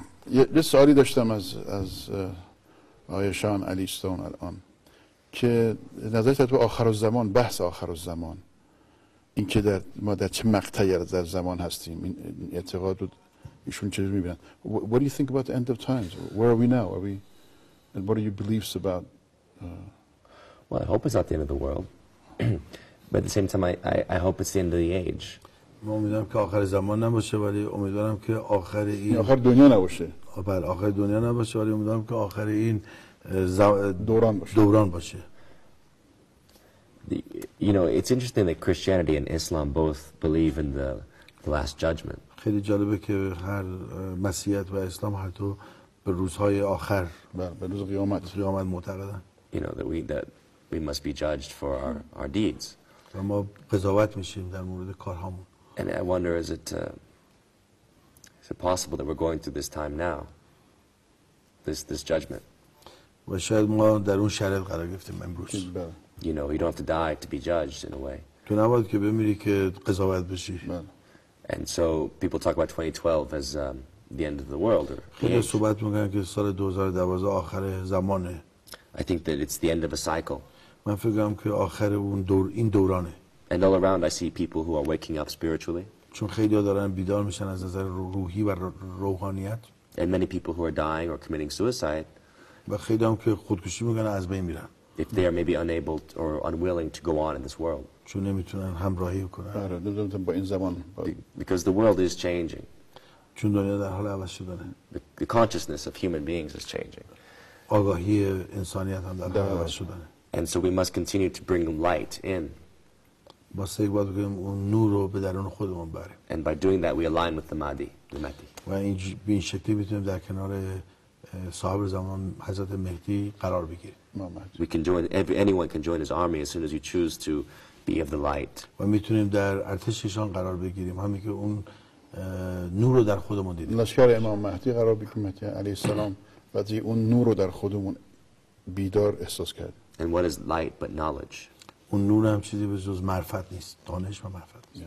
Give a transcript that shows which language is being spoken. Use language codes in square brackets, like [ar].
[fa] یه سوالی داشتم از آیه شان علی استون الان که نظرش تو آخرالزمان بحث آخرالزمان این که در ما در چه مقطعی در زمان هستیم این اعتقاد رو ایشون چجوری می‌بینن [en] What do you think about the end of times? Where are we now? Are we and what are your beliefs about Well, I hope it's not the end of the world. But at the same time, I hope it's the end of the age. [fa] ما امیدوارم که آخر زمان نباشه ولی امیدوارم که آخر این آخر دنیا نباشه. بله آخر دنیا نباشه ولی امیدوارم که آخر این دوران باشه. دوران باشه. [en] You know, it's interesting that Christianity and Islam both believe in the last judgment. [fa] خیلی جالبه که هر مسیحیت و اسلام هر دو به روزهای آخر به روز قیامت معتقدن. [en] You know that we must be judged for our deeds. [fa] ما قضاوت میشیم در مورد کارهامون. [en] And I wonder, is it possible that we're going through this time now, this judgment? You know, you don't have to die to be judged in a way. And so people talk about 2012 as the end of the world or the age. I think that it's the end of a cycle. And all around I see people who are waking up spiritually. [fa] چون خیلی ها دارن بیدار میشن از نظر روحی و روحانیت. [en] And many people who are dying or committing suicide. [fa] و خیلی هم که خودکشی میکنن از بین میرن. [en] If they are maybe unable or unwilling to go on in this world. [fa] چون نمیتونن همراهی کنن. آره نمیتونن با این زمان. [en] Because the world is changing. [fa] چون دنیا در حال عوض شدنه. [en] The consciousness of human beings is changing. [fa] آگاهی انسانیت هم در حال عوض شدنه. [en] And so we must continue to bring light in. [fa] با سعی باید بگیم اون نور رو به درون خودمون بریم. [en] And by doing that we align with the Mahdi, the Mahdi. [fa] و این به این شکلی میتونیم در کنار صاحب زمان حضرت مهدی قرار بگیریم. [en] We can join. Anyone can join his army as soon as you choose to be of the light. [fa] و میتونیم در ارتششان قرار بگیریم همین که اون نور رو در خودمون دیدیم. لشکر امام مهدی قرار بگیریم مهدی علیه السلام وقتی اون نور رو در خودمون بیدار احساس کرد. [en] And what is light but knowledge? [fa] اون نور هم چیزی به جز معرفت نیست دانش و معرفت نیست.